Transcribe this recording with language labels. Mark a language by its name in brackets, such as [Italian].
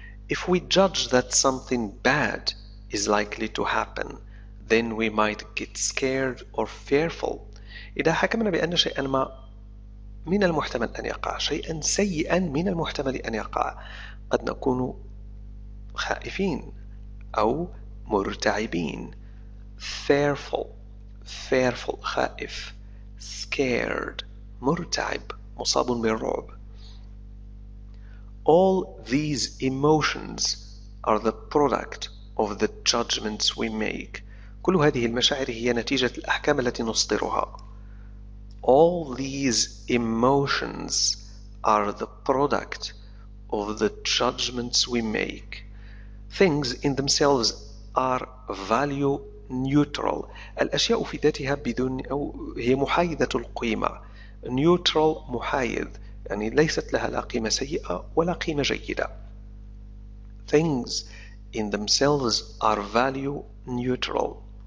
[English] If we judge that something bad is likely to happen, then we might get scared or fearful. [Arabic] إذا حكمنا بأن شيئا ما من المحتمل أن يقع، شيئا سيئا من المحتمل أن يقع، قد نكون خائفين أو مرتعبين. Fearful خائف. Scared مرتعب مصاب بالرعب. [English] All these emotions are the product of the judgments we make. [Arabic] كل هذه المشاعر هي نتيجة الأحكام التي نصدرها. [English] All these emotions are the product of the judgments we make. Things in themselves are value neutral. [Arabic] الأشياء في ذاتها بدون أو هي محايدة القيمة. Neutral محايد، يعني ليست لها لا قيمة سيئة ولا قيمة جيدة. [English] Things in themselves are value neutral.